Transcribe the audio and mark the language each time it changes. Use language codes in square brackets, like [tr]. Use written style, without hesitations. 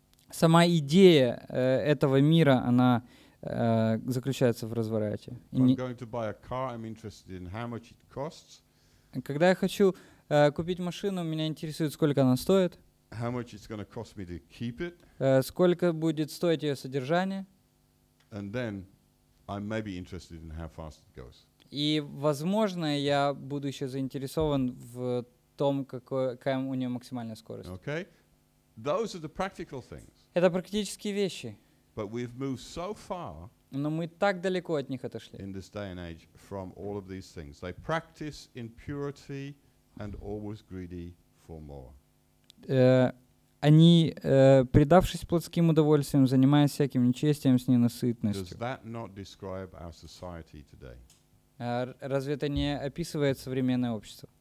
[ru] Сама идея этого мира, она заключается в разврате. [en] I'm going to buy a car, I'm interested in how much it costs. [ru] Когда я хочу купить машину, меня интересует, сколько она стоит. [en] How much it's going to cost me to keep it? [ru] Сколько будет стоить ее содержание? [en] And then I may be interested in how fast it goes. [ru] И, возможно, я буду еще заинтересован в том, какая у нее максимальная скорость. [en] Okay. Those are the practical things. [ru] Это практические вещи. [en] But we've moved so far. [ru] Но мы так далеко от них отошли. [en] In this day and age, from all of these things, they practice impurity and always greedy for more. [ru] Они, предавшись плотским удовольствиям, занимаясь всяким нечестием с ненасытностью. [en] Does that not describe our society today? [ru] Разве это не описывает современное общество?